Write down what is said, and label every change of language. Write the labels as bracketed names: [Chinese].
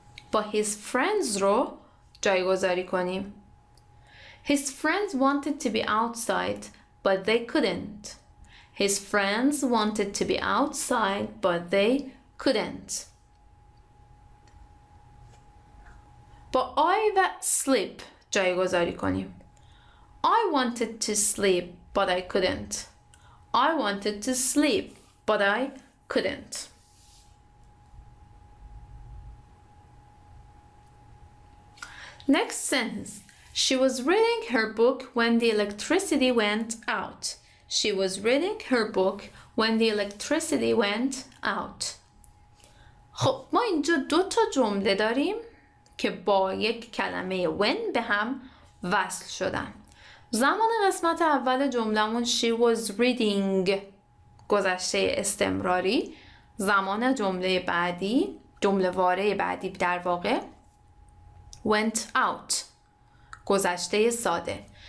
[Persian] با [English] his friends [Persian] رو جایگذاری کنیم. [English] His friends wanted to be outside but they couldn't. His friends wanted to be outside but they couldn't. [Persian] با I و sleep جایگذاری کنیم. [English] I wanted to sleep but I couldn't. I wanted to sleep but I couldn't. Next sentence. She was reading her book when the electricity went out. She was reading her book when the electricity went out. [Persian] خب ما اینجا دو تا جمله داریم که با یک کلمه when به هم وصل شدن. زمان قسمت اول جملمون [English] she was reading [Persian] گذشته استمراری. زمان جمله بعدی جمله واره بعدی در واقع [English] went out [Persian] گذشته ساده.